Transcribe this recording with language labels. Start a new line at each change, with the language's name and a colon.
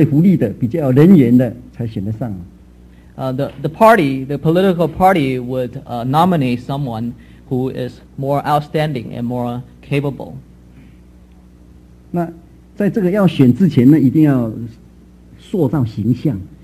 Chinese: 你一定这个党应推出一个最有强有力的、比较清新的、比较有群众说服力的、比较有人缘的，才选得上。
English: The party, the political party, would nominate someone who is more outstanding and more capable.
Chinese: 那在这个要选之前呢，一定要塑造形象。